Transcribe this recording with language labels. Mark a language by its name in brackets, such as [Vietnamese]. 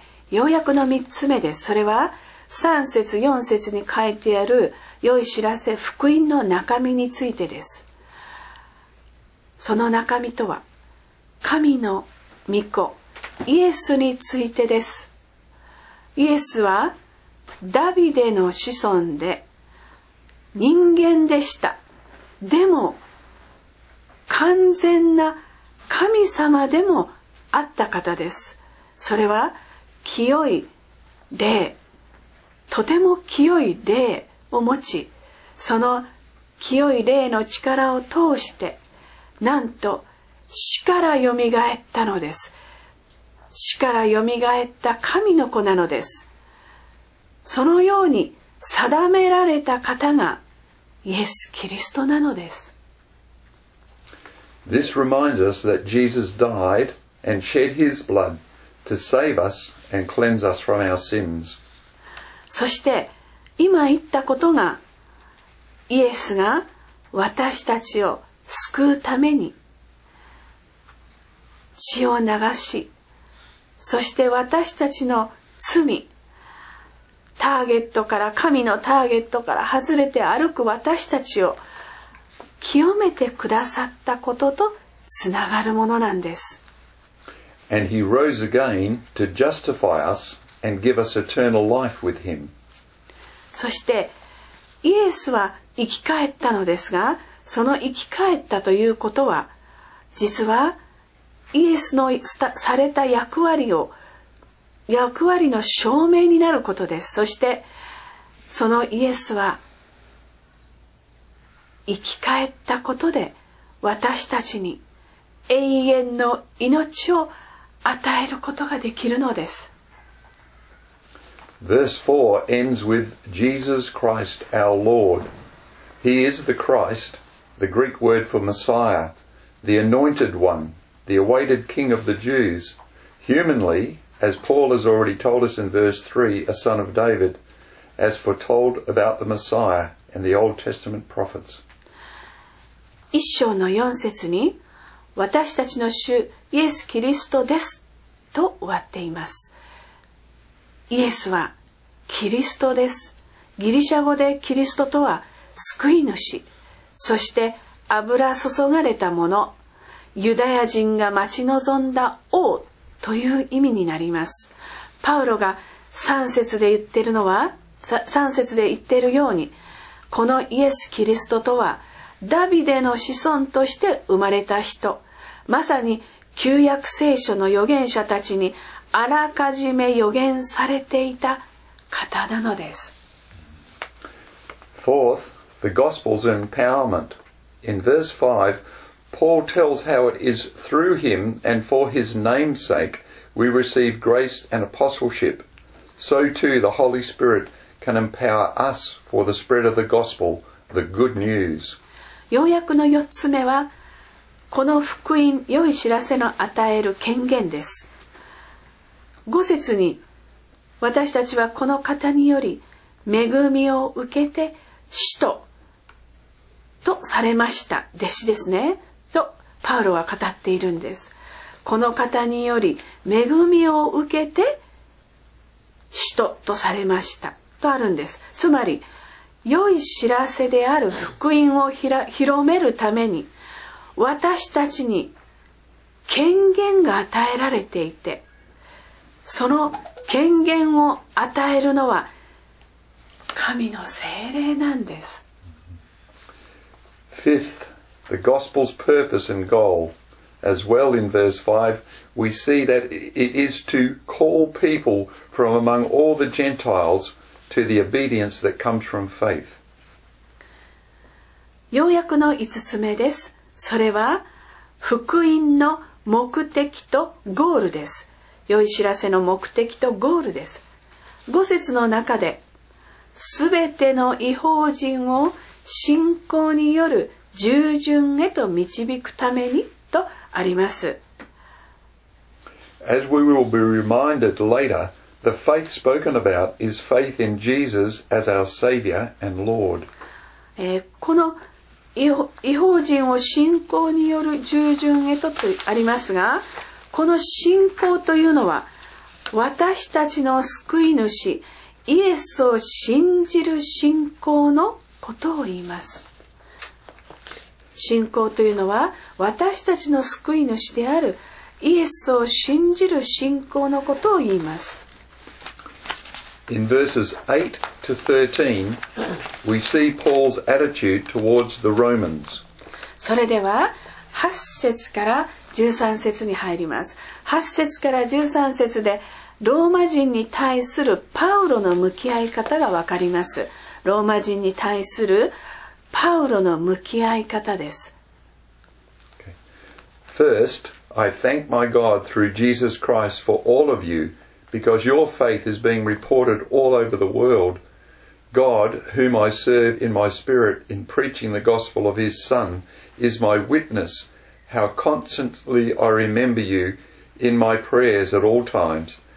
[Japanese] 要約の3つ目です。それは3節4節に書いてある良い知らせ福音の中身についてです。その中身とは神の御子イエスについてです。イエスはダビデの子孫で人間でした。でも完全な神様でもあった方です。それは清い霊、とても清い霊を持ち、その清い霊の力を通して、なんと死からよみがえったのです。死からよみがえった神の子なのです。そのように定められた方がイエス・キリストなのです。 [English] This reminds us that Jesus died and shed his blood to save us and cleanse us from our sins. [Japanese] そして今言ったことがイエスが私たちを救うために血を流し、そして私たちの罪、ターゲットから、神のターゲットから外れて歩く私たちを清めてくださったこととつながるものなんです。 [English] And he rose again to justify us and give us eternal life with him. [Japanese] そしてイエスは生き返ったのですが、その生き返ったということは実はイエスのされた役割を、役割の証明になることです。そしてそのイエスは生き返ったことで私たちに永遠の命を与えることができるのです。 [English] Verse 4 ends with Jesus Christ our Lord. He is the Christ, the Greek word for Messiah, the anointed one, the awaited King of the Jews. Humanly, as Paul has already told us in verse 3, a son of David, as foretold about the Messiah and the Old Testament prophets. [Japanese] 一章の四節に私たちの主イエス・キリストですと終わっています。イエスはキリストです。ギリシャ語でキリストとは救い主、そして油注がれたもの、ユダヤ人が待ち望んだ王という意味になります。パウロが3節で言っているのは、3節で言っているように、このイエスキリストとはダビデの子孫として生まれた人、まさに旧約聖書の預言者たちにあらかじめ予言されていた方なのです。 [English] Fourth, the gospel's empowerment. In verse 5, Paul tells how it is through him and for his name's sake we receive grace and apostleship. So too the Holy Spirit can empower us for the spread of the gospel, the good news. [Japanese] 要約の四つ目はこの福音、良い知らせの与える権限です。 5節に、私たちはこの方により恵みを受けて使徒とされました弟子ですねとパウロは語っているんです。この方により恵みを受けて使徒とされましたとあるんです。つまり良い知らせである福音を広めるために私たちに権限が与えられていて、その権限を与えるのは神の聖霊なんです。 [English] Fifth, the gospel's purpose and goal, as well in verse 5, we see that it is to call people from among all the Gentiles to the obedience that comes from faith. [Japanese] 要約の5つ目です。それは福音の目的とゴールです。良い知らせの目的とゴールです。5節の中で、すべての異邦人を信仰による従順へと導くためにとあります。 [English] As we will be reminded later, the faith spoken about is faith in Jesus as our Savior and Lord. [Japanese] この異邦人を信仰による従順へとありますが、この信仰というのは私たちの救い主イエスを信じる信仰のことを言います。信仰というのは私たちの救い主であるイエスを信じる信仰のことを言います。 [English] In verses 8 to 13 we see Paul's attitude towards the Romans. [Japanese] それでは8節から13節に入ります。 8節から13節でローマ人に対するパウロの向き合い方がわかります。ローマ人に対するパウロの向き合い方です。 [English] Okay. First, I thank my God through Jesus Christ for all of you, because your faith is being reported all over the world. God, whom I serve in my spirit in preaching the gospel of his Son, is my witness how constantly I remember you in my prayers at all times.